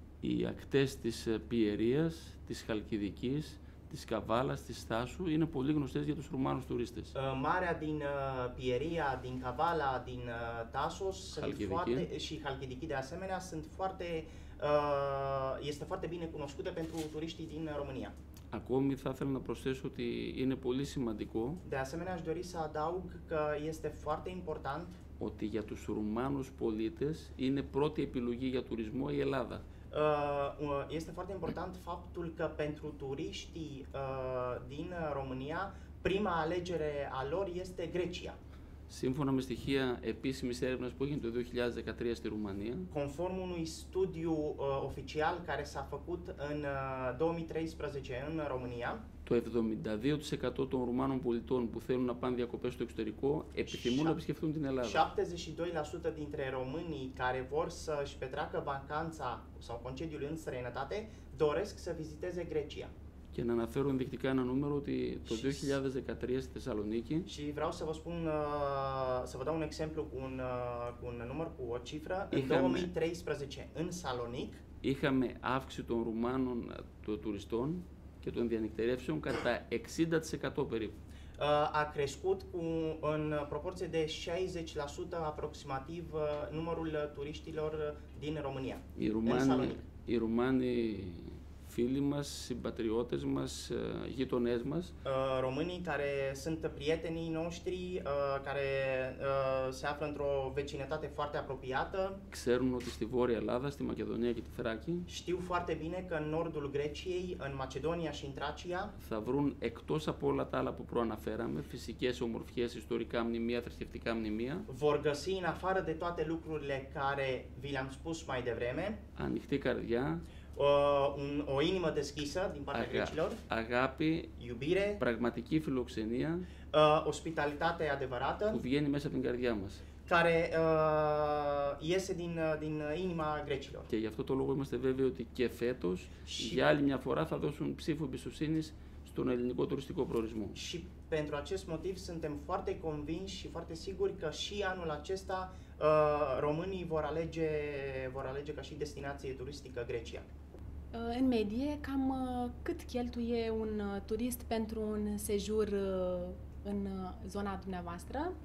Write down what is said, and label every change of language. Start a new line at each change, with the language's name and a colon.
Greek: Οι ακτές της Πιερίας, της Χαλκιδικής, της Καβάλας, της Θάσου είναι πολύ γνωστές για τους Ρουμάνους τουρίστες. Μάρια την Πιερία, την Καβάλα, την Τάσος και η Χαλκιδική
Romanian: de asemenea sunt foarte, este foarte bine cunoscute pentru turiștii din România.
Greek: Ακόμη θα ήθελα να προσθέσω ότι είναι πολύ σημαντικό.
Romanian: De asemenea aș dori să adaug că este foarte important
Greek: ότι για τους Ρουμάνους πολίτες είναι πρώτη επιλογή για τουρισμό η Ελλάδα.
Romanian: Este foarte important faptul că pentru turiștii din România, prima alegere a lor este Grecia.
Greek: Σύμφωνα με στοιχεία επίσημης έρευνας που έγινε το 2013 στη Ρουμανία,
Romanian: conform unui studiu oficial care s-a făcut în 2013 în România,
Greek: το 72% των Ρουμάνων πολιτών που θέλουν να πάνε διακοπές στο εξωτερικό επιθυμούν να επισκεφθούν την Ελλάδα.
Romanian: 72% dintre românii care vor să-și petreacă vacanța sau concediul în străinătate doresc să viziteze Grecia.
Greek: Και να αναφέρω ενδεικτικά ένα νούμερο ότι το 2013 στη Θεσσαλονίκη.
Romanian: Și vreau să vă spun, să vă dau un exemplu cu un, cu un număr, cu o cifră.
Greek: Είχαμε...
Romanian: În 2013 în Salonic.
Greek: Είχαμε αύξηση των Ρουμάνων των τουριστών και των διανυκτερεύσεων κατά 60% περίπου.
Romanian: A crescut cu în proporție de 60% aproximativ numărul turiștilor din România.
Greek: Οι Ρουμάνοι, φίλοι μας, συμπατριώτες μας, γειτονές μας.
Romanian: Românii care sunt prietenii noștri, care se află într-o vecinătate foarte apropiată.
Greek: Ξέρουν ότι στη Βόρεια Ελλάδα, στη Μακεδονία και τη Θράκη.
Romanian: Știu foarte bine că în nordul Greciei, în Macedonia și în Tracia.
Greek: Θα βρουν εκτός από όλα τα άλλα που προαναφέραμε, φυσικές ομορφιές, ιστορικά μνημεία, θρησκευτικά μνημεία.
Romanian: Vor găsi în afară de toate lucrurile care vi le-am spus mai devreme.
Greek: Ανοιχτή καρδιά.
Romanian: Ο ίνιμα της Κίσα, την πάρα Κρίτσιλορ.
Greek: Αγάπη,
Romanian: Ιουμπίρε,
Greek: πραγματική φιλοξενία.
Romanian: Ospitalitate adevărată.
Greek: Που βγαίνει μέσα από την καρδιά μας.
Romanian: Care iese din inima grecilor.
Greek: Και γι' αυτό το λόγο είμαστε βέβαιοι ότι και φέτος για άλλη μια φορά θα δώσουν ψήφο εμπιστοσύνης στον ελληνικό τουριστικό προορισμό.
Romanian: Și pentru acest motiv suntem foarte convinși și foarte siguri că și anul acesta românii vor alege ca și destinație turistică Grecia. În medie, cam cât cheltuie un turist pentru un sejur în zona dumneavoastră?